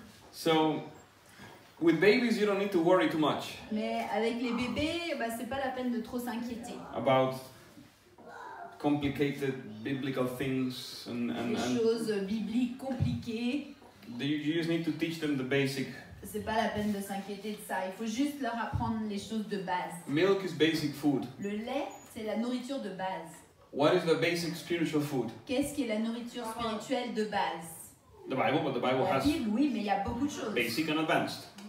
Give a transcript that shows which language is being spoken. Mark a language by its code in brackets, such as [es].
[en] So, with babies, you don't need to worry too much. [fr] Mais avec les bébés, bah, c'est pas la peine de trop s'inquiéter. [en] About complicated biblical things and [fr] choses bibliques compliquées. [en] You just need to teach them the basic. [fr] C'est pas la peine de s'inquiéter de ça. Il faut juste leur apprendre les choses de base. [en] Milk is basic food. [fr] Le lait. C'est la nourriture de base. [en] What is the basic spiritual food? [fr] Qu'est-ce qui est la nourriture spirituelle de base? [en] The Bible, but the Bible [fr] la La Bible, oui, mais il y a beaucoup de choses. [en] Basic and advanced.